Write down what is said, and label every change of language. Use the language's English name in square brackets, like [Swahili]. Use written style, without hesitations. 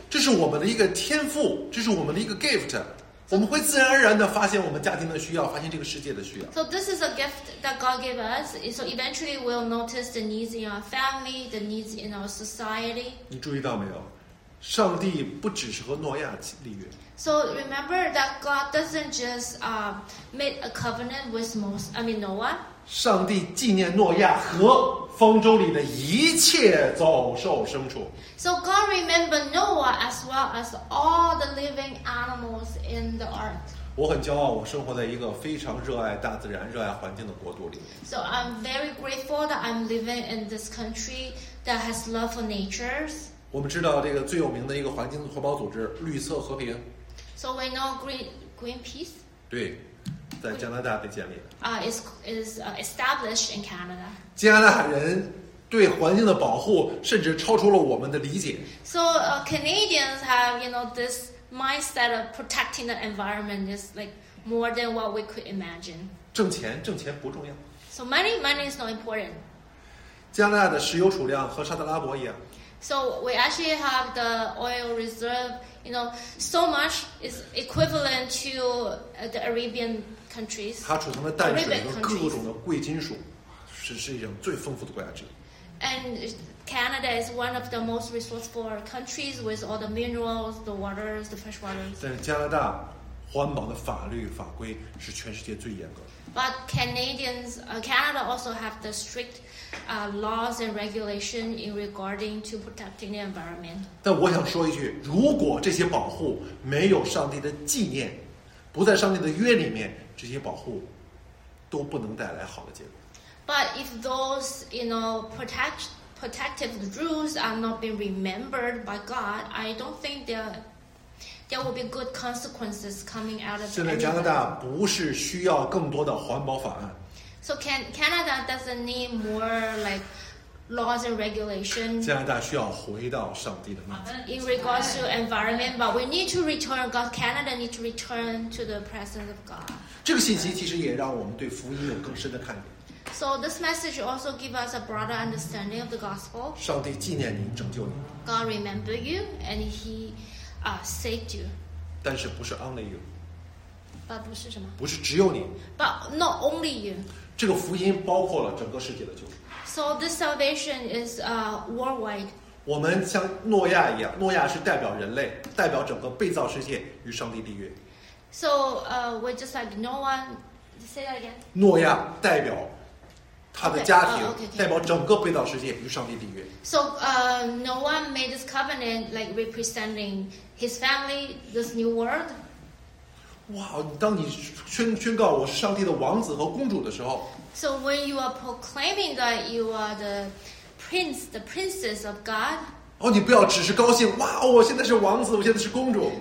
[Chinese] 这是我们的一个天赋，这是我们的一个 gift。我们会自然而然地发现我们家庭的需要，发现这个世界的需要。 [English] So this is a gift that God gave us. So eventually we'll notice the needs in our family, the needs in our society. [Chinese] 你注意到没有？上帝不只是和诺亚立约。 [English] So remember that God doesn't just make a covenant with Noah. [Chinese] 上帝纪念诺亚和方舟里的一切走兽牲畜。 [English] So God remembered Noah as well as all the living animals in the ark. [Chinese] 我很骄傲，我生活在一个非常热爱大自然、热爱环境的国度里。 [English] So I'm very grateful that I'm living in this country that has love for nature. [Chinese] 我们知道这个最有名的一个环境环保组织——绿色和平。 [English] So we know Greenpeace. [Chinese] 对。在加拿大被建立的。 [English] Established in Canada. [Chinese] 加拿大人对环境的保护甚至超出了我们的理解。 [English] So Canadians have, you know, this mindset of protecting the environment is like more than what we could imagine. [Chinese] 挣钱不重要。 [English] So money is not important. [Chinese] 加拿大的石油储量和沙特阿拉伯一样。 [English] So we actually have the oil reserve, you know, so much is equivalent to the Arabian countries. [Chinese] 它储存的淡水和各种的贵金属，是世界上最丰富的国家之一。 [English] And Canada is one of the most resourceful countries with all the minerals, the waters, the fresh waters. [Chinese] 但加拿大环保的法律法规是全世界最严格。 [English] But Canadians, Canada also have the strict laws and regulation in regarding to protecting the environment. [Chinese] 但我想说一句，如果这些保护没有上帝的纪念，不在上帝的约里面，这些保护都不能带来好的结果。 [English] But if those, you know, protective rules are not being remembered by God, I don't think there will be good consequences coming out of it. [Chinese] 现在加拿大不是需要更多的环保法案。 [English] So Canada doesn't need more like laws and regulations. [Chinese] 加拿大需要回到上帝的面前。 [English] In regards to environment, but we need to return. God, Canada need to return to the presence of God. [Chinese] 这个信息其实也让我们对福音有更深的看见。 [English] So this message also gives us a broader understanding of the gospel. [Chinese] 上帝纪念你，拯救你。 [English] God remember you, and He saved you. [Chinese] 但是不是 [English] only you. [Chinese] 不是什么？不是只有你。 [English] But not only you. [Chinese] 这个福音包括了整个世界的救赎。 [English] So this salvation is worldwide. [Chinese] 我们像诺亚一样，诺亚是代表人类，代表整个被造世界与上帝立约。 [English] So we just like Noah. Say that again. [Chinese] 诺亚代表他的家庭 [English] okay, okay. [Chinese] 代表整个被造世界与上帝立约。 [English] So Noah made this covenant like representing his family, this new world. [Chinese] 哇，当你宣告我是上帝的王子和公主的时候。 [English] So when you are proclaiming that you are the prince, the princess of God. [Chinese] 哦，你不要只是高兴，哇，我现在是王子，我现在是公主。